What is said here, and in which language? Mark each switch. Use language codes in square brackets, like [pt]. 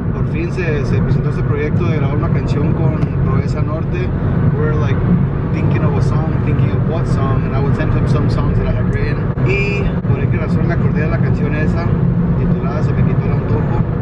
[es] Por fin se presentó este proyecto de grabar una canción con Proeza Norte. [en] We're like thinking of a song, thinking of what song, and I would send him some songs that I had written. [es] Y por esa razón me acordé de la canción esa, titulada Se Me Quitó el Antojo.